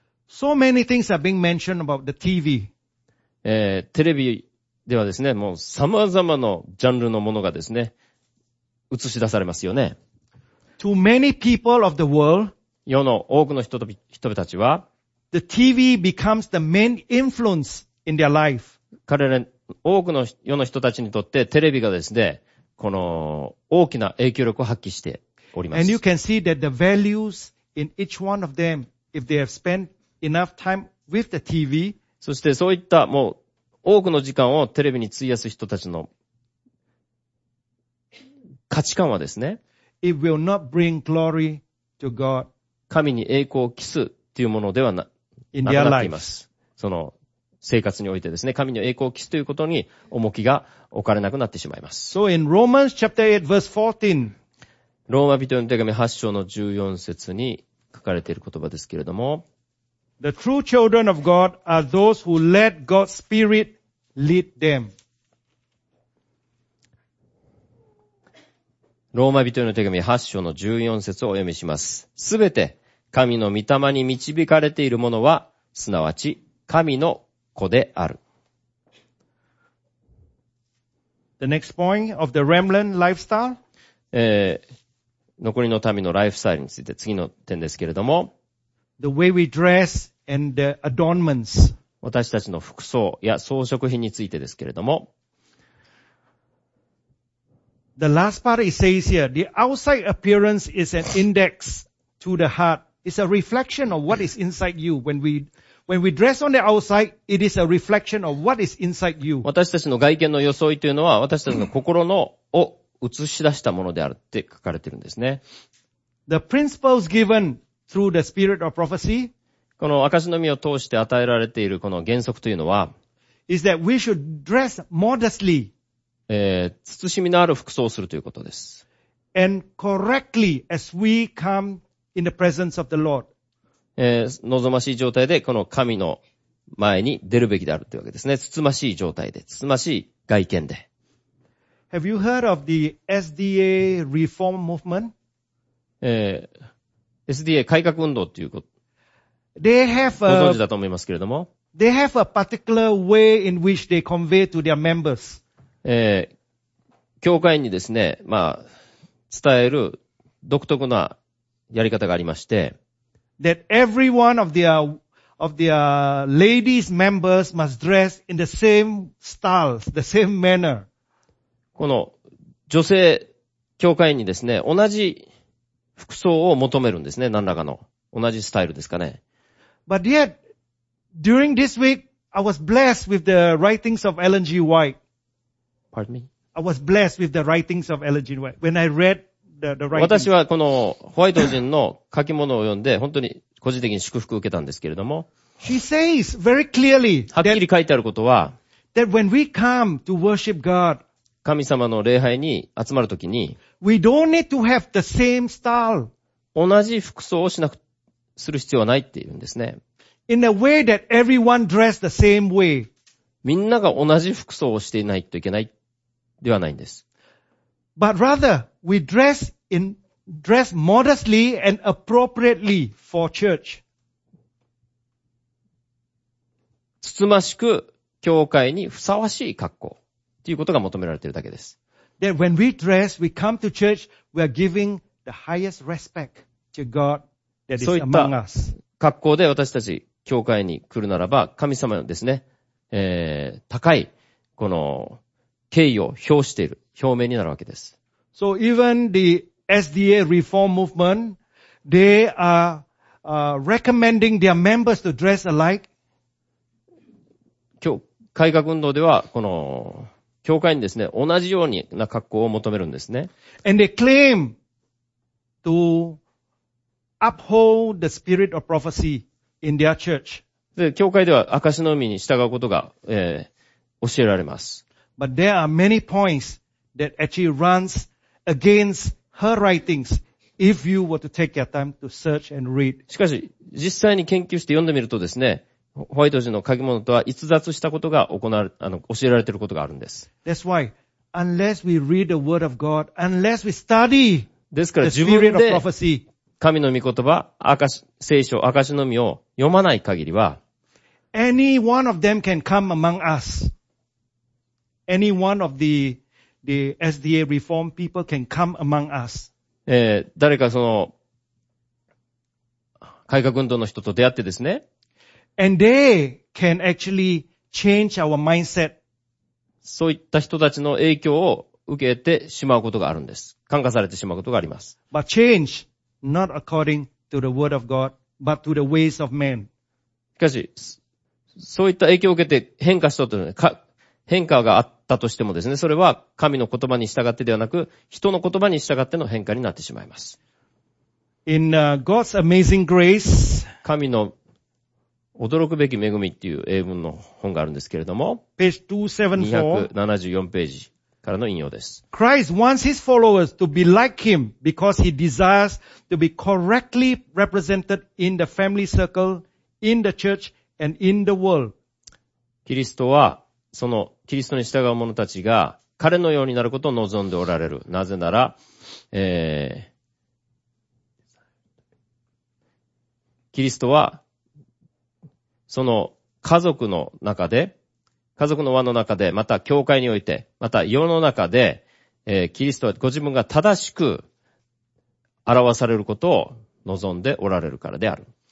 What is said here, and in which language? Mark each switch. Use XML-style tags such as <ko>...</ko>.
<en>So many things are being mentioned about the TV.</en> <ja>テレビではですね、もう様々なジャンルのものがですね、映し出されますよね。</ja> <en>To many people of the world,</en> <ja>世の多くの人々たちは、</ja> <en>the TV becomes the main influence in their life.</en> <ja>彼ら、多くの世の人たちにとってテレビがですね、この大きな影響力を発揮しております。</ja> <en>And you can see that the values in each one of them, if they have spentEnough time with the TV.</en> <ja>そしてそういったもう多くの時間をテレビに費やす人たちの価値観はですね、</ja> <en>It will not bring glory to God.</en> <ja>神に栄光を期すというものではなくなっています。その生活においてですね、神に栄光を期すということに重きが置かれなくなってしまいます。</ja> <en>So in Romans chapter 8 verse 14,</en> <ja>ローマ人への手紙8章の14節に書かれている言葉ですけれども、</ja> <en>The true children of God are those who let God's Spirit lead them.</en> <ja>ローマ人への手紙8章の14節をお読みします。すべて神の御霊に導かれているものは、すなわち神の子である。</ja> <en>The next point of the remnant lifestyle.</en> <ja>残りの民のライフスタイルについて次の点ですけれども、</ja> <en>The way we dress and the adornments.</en> <ja>私たちの服装や装飾品についてですけれども、</ja> <en>The last part it says here, the outside appearance is an index to the heart. It's a reflection of what is inside you. When we dress on the outside, it is a reflection of what is inside you.</en> <ja>私たちの外見の装いというのは私たちの心のを映し出したものであるって書かれているんですね。</ja> <en>The principles given through the spirit of prophecy,</en> <ja>この証の実を通して与えられているこの原則というのは、</ja> <en>is that we should dress modestly.</en> <ja>慎みのある服装をするということです。</ja> <en>And correctly as we come in the presence of the Lord.</en> <ja>望ましい状態でこの神の前に出るべきであるというわけですね。慎ましい状態で、慎ましい外見で。</ja> <en>Have you heard of the SDA reform movement?</en> <ja>SDA 改革運動ということ。</ja> <en>They have</en> <ja>a, ご存知だと思いますけれども。</ja> <en>They have a particular way in which they convey to their members.</en> <ja>教会にですね、まあ、伝える独特なやり方がありまして。</ja> <en>That every one of their ladies members must dress in the same styles, the same manner.</en> <ja>この女性教会員にですね、同じ服装を求めるんですね、何らかの。同じスタイルですかね。</ja> <en>But yet, during this week, I was blessed with the writings of Ellen G. White. Pardon me? I was blessed with the writings of Ellen G. White. When I read the writings.</en> <ja>私はこのホワイト人の書き物を読んで、本当に個人的に祝福を受けたんですけれども。</ja> <en>She says very clearly</en> <ja>that, はっきり書いてあることは、</ja> <en>that when we come to worship God,</en> <ja>神様の礼拝に集まるときに、</ja> <en>We don't need to have the same style.</en> <ja>同じ服装をしなく、する必要はないっていうんですね。</ja> <en>In a way that everyone dress the same way.</en> <ja>みんなが同じ服装をしていないといけないではないんです。</ja> <en>But rather, we dress modestly and appropriately for church.</en> <ja>つつましく教会にふさわしい格好。ということが求められているだけです。</ja> <en>That when we dress, we come to church, we are giving the highest respect to God that is among us.</en> <ja>そういった格好で私たち教会に来るならば、神様のですね、高いこの敬意を表している表明になるわけです。</ja> <en>So even the SDA reform movement, they are recommending their members to dress alike.</en> <ja>改革運動ではこの教会にですね、同じような格好を求めるんですね。</ja> <en>And they claim to uphold the spirit of prophecy in their church.</en> <ja>で、教会では証の御に従うことが、教えられます。</ja> <en>But there are many points that actually runs against her writings if you were to take your time to search and read.</en> <ja>しかし、実際に研究して読んでみるとですね、ホワイト人の書き物とは逸脱したことが行われ、教えられていることがあるんです。</ja> <en>That's why, unless we read the word of God, unless we study the spirit of prophecy,</en> <ja>神の御言葉、聖書、証の御を読まない限りは、</ja> <en>any one of them can come among us. Any one of the SDA reform people can come among us.</en> <ja>誰かその、改革運動の人と出会ってですね、</ja> <en>And they can actually change our mindset.</en> <ja>そういった人たちの影響を受けてしまうことがあるんです。感化されてしまうことがあります。</ja> <en>But change not according to the word of God, but to the ways of men.</en> <ja>しかし、そういった影響を受けて変化したというのは、変化があったとしてもですね、それは神の言葉に従ってではなく、人の言葉に従っての変化になってしまいます。</ja> <en>In God's amazing grace,</en> <ja>神の驚くべき恵みっていう英文の本があるんですけれども、274ページからの引用です。</ja> <en>Christ wants his followers to be like him because he desires to be correctly represented in the family circle, in the church, and in the world.</en> <ja>キリストはそのキリストに従う者たちが彼のようになることを望んでおられる。なぜなら、キリストはその家族の中で、家族の輪の中で、また教会において、また世の中で、キリストはご自分が正しく表されることを望んでおられるからである。</ja>